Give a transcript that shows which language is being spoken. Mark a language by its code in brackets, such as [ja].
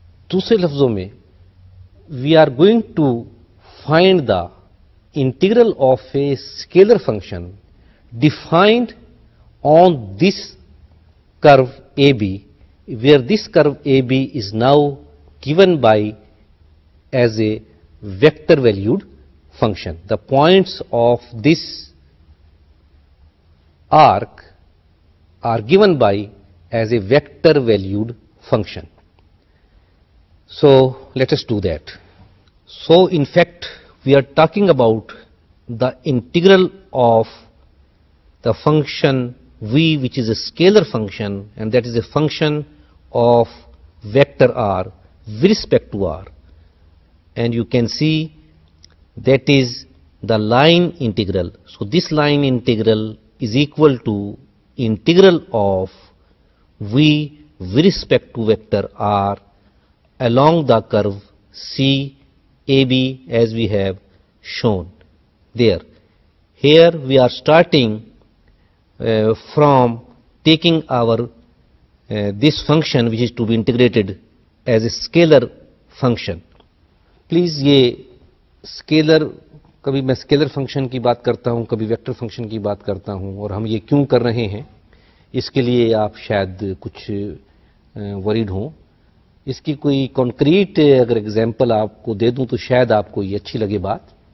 [hi] दूसरे लफ्जों में [en] We are going to find the integral of a scalar function defined on this curve A B, where this curve A B is now given by as a vector valued function. The points of this arc are given by as a vector valued function. So let us do that. So in fact we are talking about the integral of the function v which is a scalar function and that is a function of vector r with respect to r, and you can see that is the line integral. So this line integral is equal to integral of v with respect to vector r along the curve c ab as we have shown there. Here we are starting from taking our this function which is to be integrated as a scalar function. Please, [hi] ये scalar, कभी मैं scalar function की बात करता हूँ कभी vector function की बात करता हूँ, और हम ये क्यों कर रहे हैं इसके लिए आप शायद कुछ worried हों. इसकी कोई concrete अगर example आपको दे दूँ तो शायद आपको ये अच्छी लगे बात.